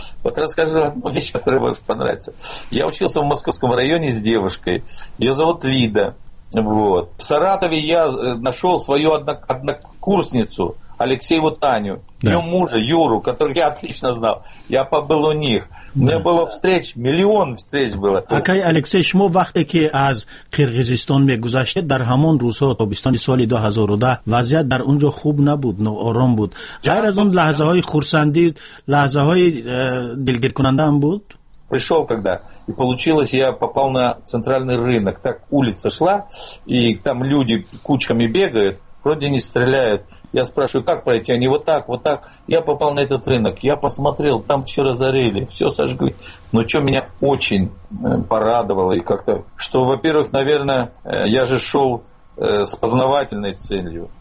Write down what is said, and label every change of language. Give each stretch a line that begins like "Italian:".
Russian: Вот расскажу одну вещь, которая вам понравится. Я учился в Московском районе с девушкой. Ее зовут Лида. Вот. В Саратове я нашел свою однокурсницу, Алексееву Таню, да. Ее мужа Юру, которого я отлично знал. Я побыл у них. У меня было встреч, миллион встреч было.
Tajik: Акай Алексей, шумо вақте ки аз Киргизистон мегузаштед, дар ҳамон рӯзҳо тобистони соли 2010 вазъият дар онҷо хуб набуд, ноором буд. Ғайр аз он лаҳзаҳои хурсандӣ, лаҳзаҳои дилгиркунанда ам буд?
Russian: Пришел когда, и получилось, я попал на центральный рынок. Так улица шла, и там люди кучками бегают, вроде не стреляют. Я спрашиваю, как пройти? Они вот так, вот так. Я попал на этот рынок. Я посмотрел, там все разорили, все сожгли. Но что меня очень порадовало и как-то, что, во-первых, наверное, я же шел с познавательной целью.